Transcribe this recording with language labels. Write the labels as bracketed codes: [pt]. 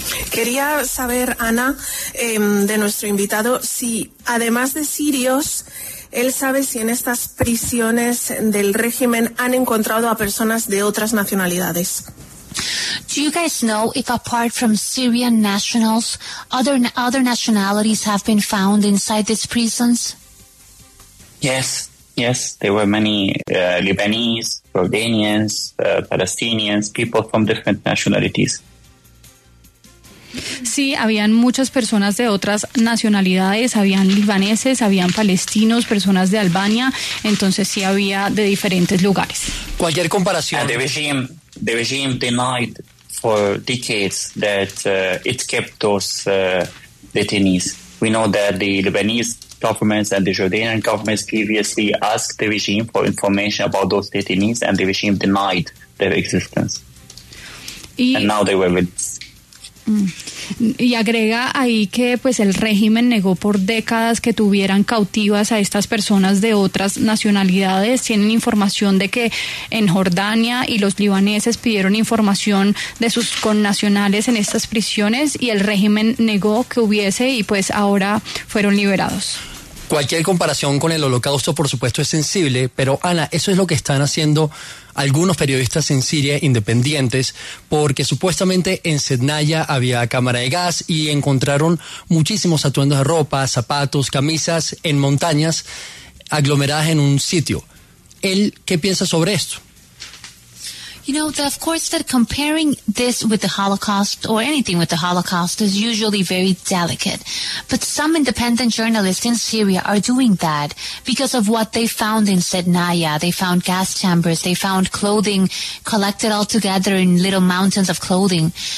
[es] Quería saber, Ana, de nuestro invitado, si además de sirios, él sabe si en estas prisiones del régimen han encontrado a personas de otras nacionalidades. [en] Do you guys know if apart from Syrian nationals, other nationalities have been found inside these prisons? Yes, yes. There were many Lebanese, Jordanians, Palestinians, people from different nationalities. [es] Sí, habían muchas personas de otras nacionalidades, habían libaneses, habían palestinos, personas de Albania, entonces sí había de diferentes lugares. Cualquier comparación. [en] The regime denied for decades that it kept those detainees. We know that the Lebanese governments and the Jordanian governments previously asked the regime for information about those detainees and the regime denied their existence. And now they were with. [es] Y agrega ahí que pues el régimen negó por décadas que tuvieran cautivas a estas personas de otras nacionalidades. Tienen información de que en Jordania y los libaneses pidieron información de sus connacionales en estas prisiones y el régimen negó que hubiese y pues ahora fueron liberados. Cualquier comparación con el Holocausto, por supuesto, es sensible, pero Ana, eso es lo que están haciendo algunos periodistas en Siria independientes, porque supuestamente en Sednaya había cámara de gas y encontraron muchísimos atuendos de ropa, zapatos, camisas en montañas aglomeradas en un sitio. ¿Él qué piensa sobre esto? [en] You know, of course, that comparing this with the Holocaust or anything with the Holocaust is usually very delicate. But some independent journalists in Syria are doing that because of what they found in Sednaya. They found gas chambers. They found clothing collected all together in little mountains of clothing.